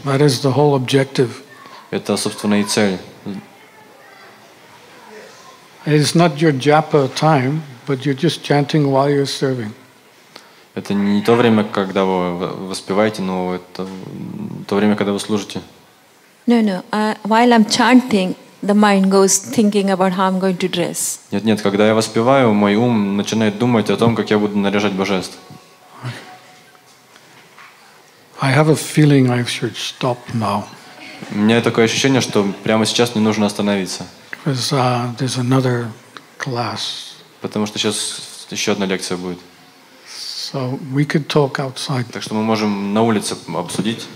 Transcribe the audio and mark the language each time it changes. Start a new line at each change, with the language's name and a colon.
English: that is the whole objective.
Russian: Это, собственно, и цель.
English: It's not your japa time, but you're just chanting while you're serving.
Russian: Это не то время, когда вы воспеваете, но это то время, когда вы служите.
English: No. While I'm chanting, the mind goes thinking about how I'm going to dress.
Russian: Нет, когда я воспеваю, мой ум начинает думать о том, как я буду наряжать божество.
English: I have a feeling I should stop now.
Russian: У меня такое ощущение, что прямо сейчас мне нужно остановиться.
English: Because there's another class.
Russian: Потому что сейчас еще одна лекция будет.
English: So we could talk outside.
Russian: Так что мы можем на улице обсудить.